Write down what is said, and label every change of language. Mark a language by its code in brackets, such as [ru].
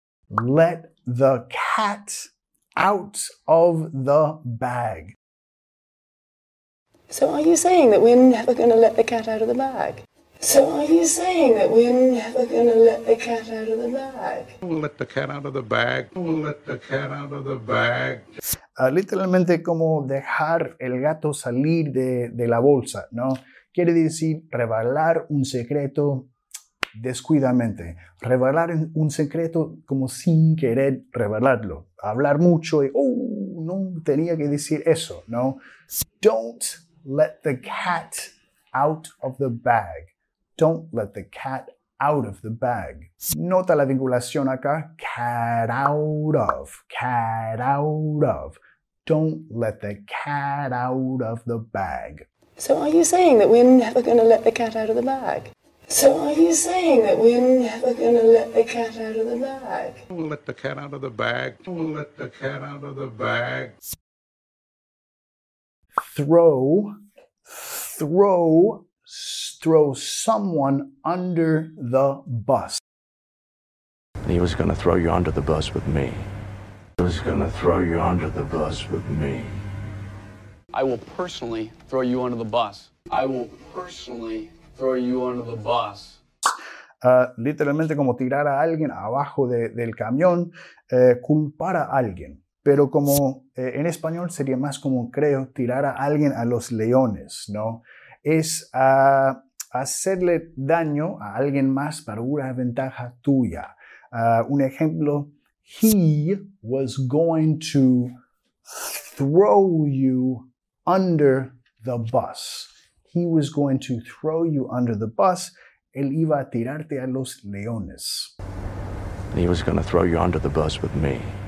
[en] Let the cat out of the bag. So are you saying that we're never going to let the cat out of the bag? So are you saying that we're never going to let the cat out of the bag? We'll let the cat out of the bag. We'll let the cat out of the bag. [es] Literalmente como dejar el gato salir de la bolsa, ¿no? Quiere decir revelar un secreto descuidamente, revelar un secreto como sin querer revelarlo, hablar mucho y oh, no tenía que decir eso, ¿no? [en] Don't let the cat out of the bag. Don't let the cat out of the bag. [es] Nota la vinculación acá, [en] cat out of, cat out of. Don't let the cat out of the bag. So are you saying that we're never going to let the cat out of the bag? So are you saying that we're never going to let the cat out of the bag? We'll let the cat out of the bag. We'll let the cat out of the bag. Throw someone under the bus. He was going to throw you under the bus with me. He was going to throw you under the bus with me. I will personally throw you under the bus. I will personally throw you under the bus. [es] Literalmente como tirar a alguien abajo del camión, culpar a alguien. Pero como en español sería más como, creo, tirar a alguien a los leones, ¿no? Es hacerle daño a alguien más para una ventaja tuya. Un ejemplo, [en] he was going to throw you under the bus. He was going to throw you under the bus. [es] Él iba a tirarte a los leones. [en] He was going to throw you under the bus with me.